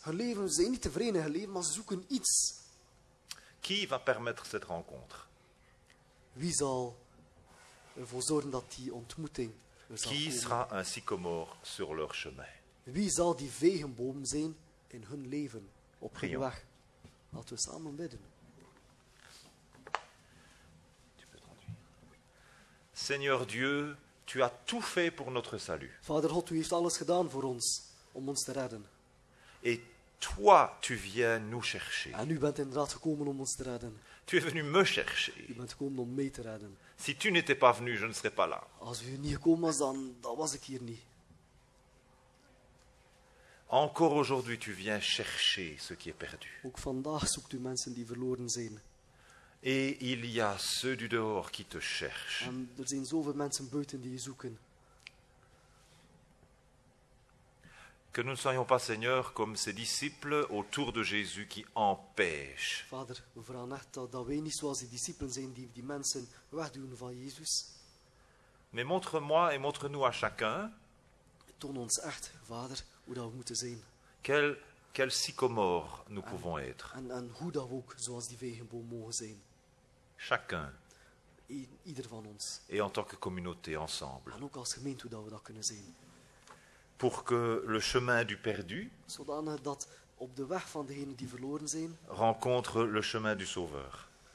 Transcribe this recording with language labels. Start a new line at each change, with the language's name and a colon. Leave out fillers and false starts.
Dutch: Hun leven, ze zijn niet tevreden in hun leven, maar ze zoeken iets.
French: Qui va permettre cette rencontre?
Dutch: Wie zal ervoor zorgen dat die ontmoeting zal
French: qui
Dutch: komen?
French: Sera un sycomore sur leur chemin?
Dutch: Wie zal die vegenboom zijn in hun leven op hun weg? Laten we samen bidden.
French: Seigneur Dieu, tu as tout fait pour notre salut.
Dutch: Vader God, u heeft alles gedaan voor ons, om ons te redden.
French: Et toi, tu viens nous chercher.
Dutch: En u bent inderdaad gekomen om ons te redden.
French: Tu es venu me chercher.
Dutch: U bent gekomen om mij te redden.
French: Si tu n'étais pas venu, je ne serais pas là.
Dutch: Als u niet gekomen was, dan was ik hier niet.
French: Encore aujourd'hui, tu viens chercher ce qui est perdu.
Dutch: Ook vandaag zoekt u mensen die verloren zijn.
French: Et il y a ceux du dehors qui te cherchent.
Dutch: Er zijn zoveel mensen buiten die je zoeken.
French: Que nous ne soyons pas, Seigneur, comme ces disciples autour de Jésus qui empêchent.
Dutch: Vader, we vragen echt dat wij niet zoals die discipelen zijn die mensen wegdoen van Jezus.
French: Mais montre-moi et montre-nous à chacun.
Dutch: Toon ons echt, Vader, hoe dat we moeten zijn.
French: Quel sycomore nous pouvons être.
Dutch: En hoe dat we ook zoals die vegenboom mogen zijn.
French: Chacun.
Dutch: Ieder van ons.
French: Et en tant que communauté, ensemble.
Dutch: En ook als gemeente, dat we dat kunnen zijn.
French: Pour que le chemin du perdu.
Dutch: Zodanig dat op de weg van degenen die verloren zijn.
French: Rencontre le chemin du sauveur.